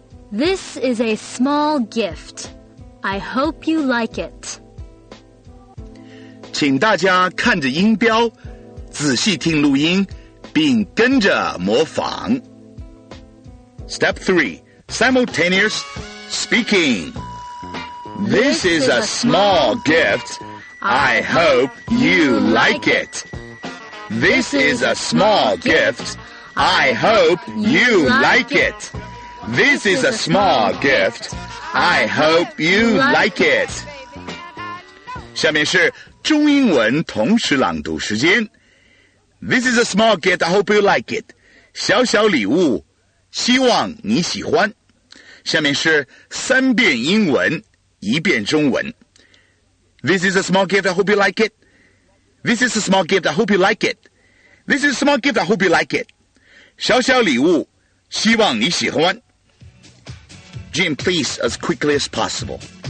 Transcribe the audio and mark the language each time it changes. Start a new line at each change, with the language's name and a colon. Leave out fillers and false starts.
English: This is a small gift. I hope you like it.
Chinese: 请大家看着音标，仔细听录音，并跟着模仿。
English: Step 3, simultaneous speaking. This is a small gift. I hope you like it. This is a small gift. I hope you like it. This is a small gift. I hope you like it.
Chinese: 下面是中英文同时朗读时间。
English: This is a small gift. I hope you like it.
Chinese: 小小礼物，希望你喜欢。下面是三遍英文，一遍中文。
English: This is a small gift. I hope you like it. This is a small gift. I hope you like it. This is a small gift. I hope you like it.
Chinese: 小小礼物，希望你喜欢。
English: Jim, please, as quickly as possible.